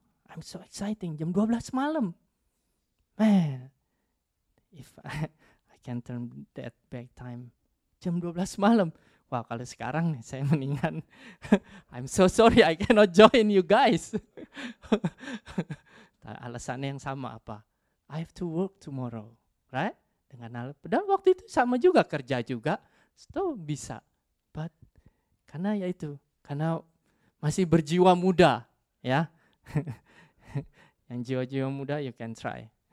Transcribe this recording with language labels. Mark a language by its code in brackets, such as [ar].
[en] I'm so exciting, [id] jam 12 malam. [en] Man, if I can turn that back time, jam 12 malam. Wow, [id] kalau sekarang saya mendingan, [en] I'm so sorry I cannot join you guys. [id] alasannya yang sama apa? [en] I have to work tomorrow, right? [id] Dengan padahal waktu itu sama juga kerja juga, [en] still [id] bisa. [en] But [id] karena ya itu, karena masih berjiwa muda, ya. Yang jiwa-jiwa muda, [en] you can try.